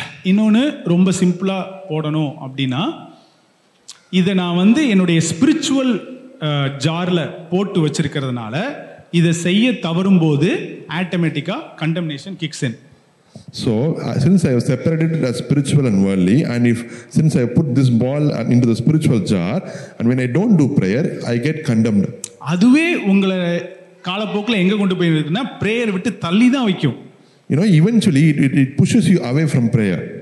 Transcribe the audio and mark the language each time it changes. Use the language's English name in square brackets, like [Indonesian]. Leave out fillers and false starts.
[Tamil] இன்னொன்று ரொம்ப சிம்பிளா போடணும் அப்படின்னா இதை நான் வந்து என்னுடைய ஸ்பிரிச்சுவல் ஜார்ல போட்டு வச்சிருக்கிறதுனால இதை செய்ய தவறும் போது ஆட்டோமேட்டிக்கா [English] Contamination kicks in. So since I have separated it as spiritual and worldly, and if since I put this ball into the spiritual jar and when I don't do prayer, I get condemned. [Tamil] அதுவே உங்களை காலப்போக்கில் எங்க கொண்டு போயிருக்குன்னா prayer விட்டு தள்ளி தான் வைக்கும். [English] You know, eventually it pushes you away from prayer.